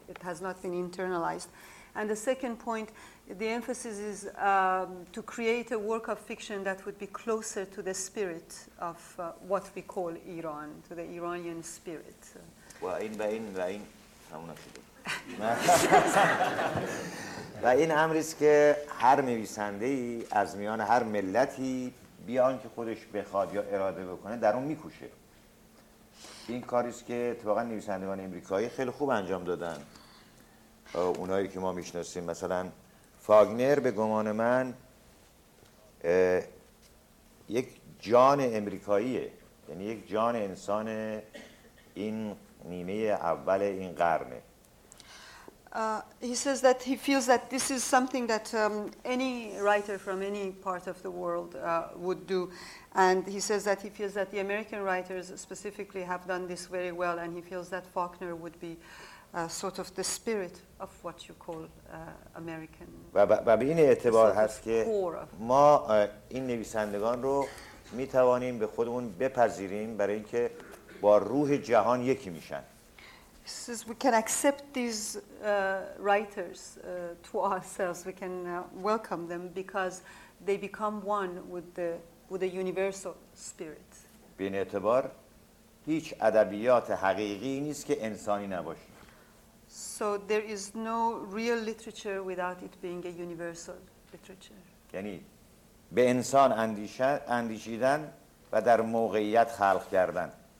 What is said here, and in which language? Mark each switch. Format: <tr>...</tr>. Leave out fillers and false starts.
<en>It has not been internalized. And the second point, the emphasis is to create a work of fiction that would be closer to the spirit of what we call Iran, to the Iranian spirit. Well, in</en> <fa>و این امری است که هر نویسنده‌ای از میان هر ملتی بیان که خودش بخواد یا اراده بکنه در اون میکوشه. این کاری است که واقعا نویسندگان آمریکایی خیلی خوب انجام دادن. اونایی که ما میشناسیم مثلا فاگنر به گمان من یک جان آمریکاییه، یعنی یک جان انسان این نیمه اول این قرنه.</fa> <en>He says that he feels that this is something that any writer from any part of the world would do. And he says that he feels that the American writers specifically have done this very well, and he feels that Faulkner would be sort of the spirit of what you call American.</en> <fa>و به این اعتبار هست که ما این نویسندگان رو میتوانیم به خودمون بپذیریم برای اینکه با روح جهان یکی میشن.</fa> <en>Says we can accept these writers to ourselves. We can welcome them because they become one with the universal spirit.</en> <fa>بی اعتبار هیچ ادبیات حقیقی نیست که انسانی نباشه.</fa> <en>So there is no real literature without it being a universal literature.</en> <fa>یعنی به انسان اندیشیدن و در موقعیت خلق کردن.</fa>